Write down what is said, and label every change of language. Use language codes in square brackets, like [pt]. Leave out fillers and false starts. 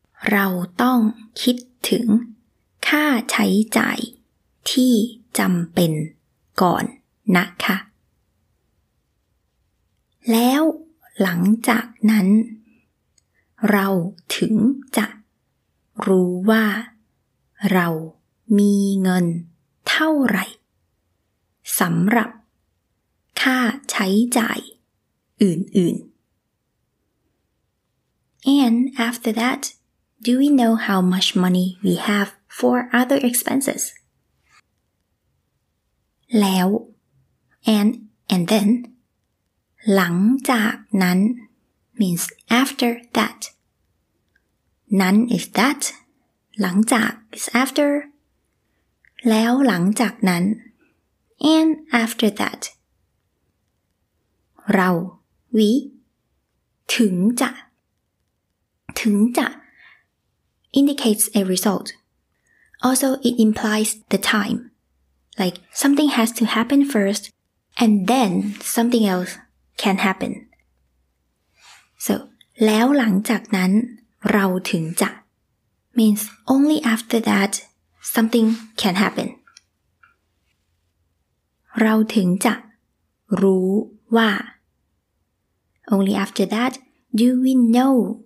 [th] เราต้องคิดถึงค่าใช้จ่ายที่จำเป็นก่อนนะคะแล้วหลังจากนั้นเราถึงจะรู้ว่าเรามีเงินเท่าไหร่สำหรับค่าใช้จ่ายอื่น [en] ๆ And after thatDo we know how much money we have for other expenses? แล้ว and then หลังจากนั้น means after that นั้น is that หลังจาก is after [th] แล้วหลังจากนั้น [en] and after that เรา we ถึงจะindicates a result. Also, it implies the time. Like, something has to happen first, and then something else can happen. So, [th] แล้วหลังจากนั้นเราถึงจะ [en] means only after that something can happen. [th] เราถึงจะรู้ว่า [en] only after that do we know